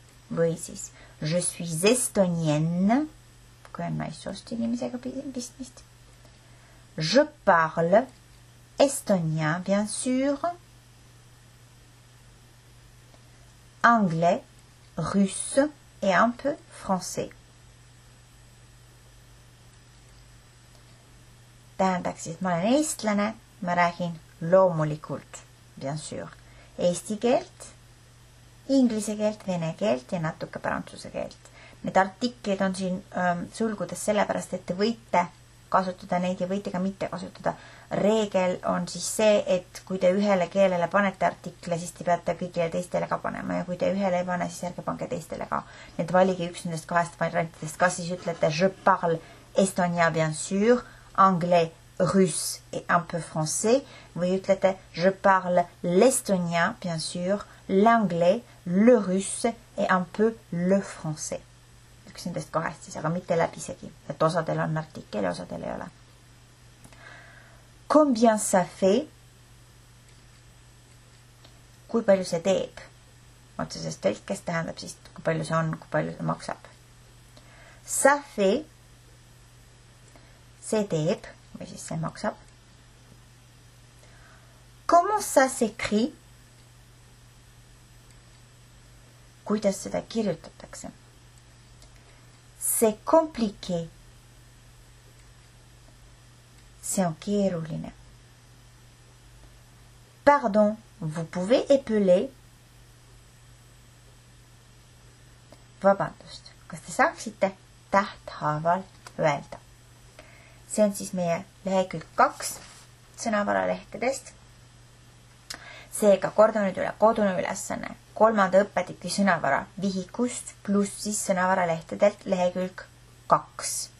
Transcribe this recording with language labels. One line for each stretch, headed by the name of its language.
Estonian: Või siis,
French: je suis estonienne.
Estonian: Kui on naissoost inimesega pistmist.
French: Je parle estonien, bien sûr. Anglais, russe et un peu français.
Estonian: Tähendaks siis, ma olen eestlane, ma räägin loomulikult,
French: bien sûr,
Estonian: eesti keelt, inglise keelt, vene keelt ja natuke prantsuse keelt. Need artiklid on siin sulgudes sellepärast, et te võite kasutada neid ja võite ka mitte kasutada. Reegel on siis see, et kui te ühele keelele panete artikle, siis te peate kõigile teistele ka panema ja kui te ühele ei pane, siis järge pange teistele ka. Need valige üks nendest kahest variantidest, kas siis ütlete
French: je parle estonia bien sûr, anglais, russe et un peu français. Vous ütlete, je parle l'estonien, bien sûr, l'anglais, le russe et un peu le français.
Estonian: Üks nendest kahest siis, aga mitte läbisegi, et osadel on artikkel ja osadel ei ole.
French: Combien ça fait?
Estonian: Kui palju see teeb? Otsesest tõlkes tähendab siis, kui palju see on, kui palju see maksab.
French: Ça fait.
Estonian: C'est teeb, või siis see maksab.
French: Comment ça s'écrit?
Estonian: Kuidas seda kirjutatakse?
French: C'est compliqué.
Estonian: C'est on keeruline.
French: Pardon, vous pouvez épeler?
Estonian: Vabandust, kas te saaksite tähthaavalt öelda? See on siis meie lehekülg 2 sõnavara lehtedest. Seega korda nüüd üle kodune ülesanne. Kolmanda õppetüki sõnavara vihikust plus siis sõnavara lehtedelt lehekülg 2.